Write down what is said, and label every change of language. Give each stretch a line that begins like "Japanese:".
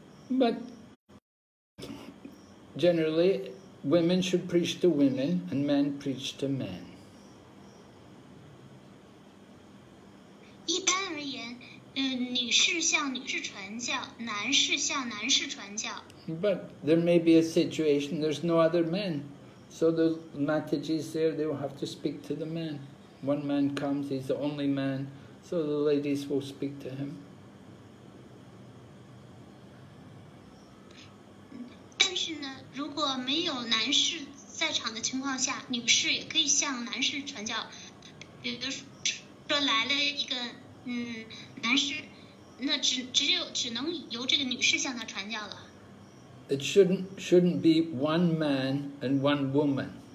English: But generally, women should preach to women and men preach to men.
Chinese: 一般而言，女士向女士传教，男士向男士传教。
English: But there may be a situation, there's no other men. So the Mataji is there, they will have to speak to the men. One man comes, he's the only man, so the ladies will speak to him.
Chinese: 如果没有男士在场的情况下，女士也可以向男士传教。比如说来了一个男士，那只能由这个女士向他传教了。
English: It shouldn't be one man and one woman.